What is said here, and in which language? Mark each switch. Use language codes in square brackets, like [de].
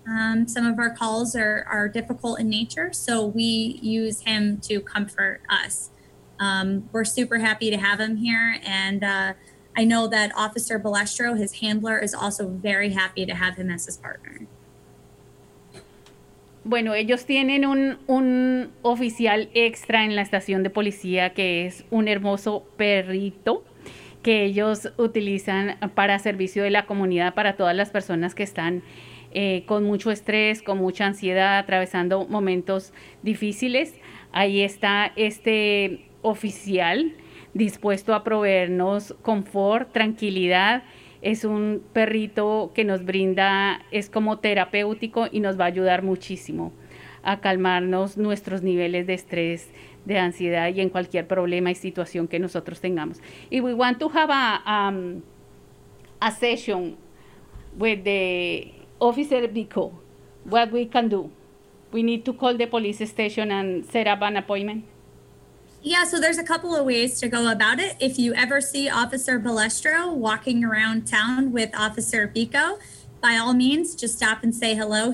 [en] Some of our calls are difficult in nature, so we use him to comfort us. We're super happy to have him here, and I know that Officer Balestro, his handler, is also very happy to have him as his partner. [es] Bueno, ellos tienen un oficial extra en la estación de policía que es un hermoso perrito que ellos utilizan para servicio de la comunidad, para todas las personas que están con mucho estrés, con mucha ansiedad, atravesando momentos difíciles. Ahí está este oficial dispuesto a proveernos confort, tranquilidad es un perrito que nos brinda, es como terapéutico y nos va a ayudar muchísimo a calmarnos nuestros niveles de estrés, de ansiedad y en cualquier problema y situación que nosotros tengamos. [en] Y we want to have a session with the officer Biko. What we can do? We need to call the police station and set up an appointment. Yeah, so there's a couple of ways to go about it. If you ever see Officer Balestro walking around town with Officer Biko, by all means, just stop and say hello.